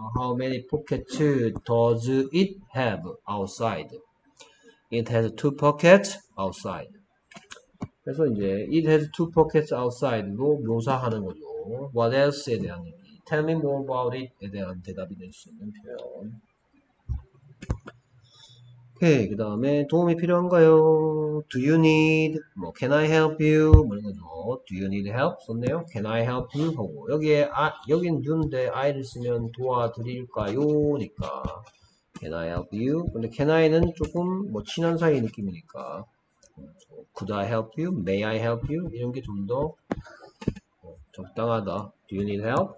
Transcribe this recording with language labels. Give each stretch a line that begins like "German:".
English: How many pockets does it have outside? It has two pockets outside.
Korean: 그래서 이제
English: it has two pockets outside
Korean: 로 묘사하는 거죠.
English: What else
Korean: 에 대한 얘기.
English: Tell me more about it
Korean: 에 대한 대답이 될수 있는 표현. 오케이, 그 다음에 도움이 필요한가요?
English: Do you need, 뭐, can I help you?
Korean: 뭐 이런 거죠.
English: Do you need help?
Korean: 썼네요.
English: Can I help you?
Korean: 하고 여기에 아, 여긴 do인데 I를 쓰면 도와드릴까요? 니까
English: Can I help you?
Korean: 근데
English: can I
Korean: 는 조금 뭐 친한 사이 느낌이니까
English: Could I help you? May I help you?
Korean: 이런 게좀더 적당하다.
English: Do you need help?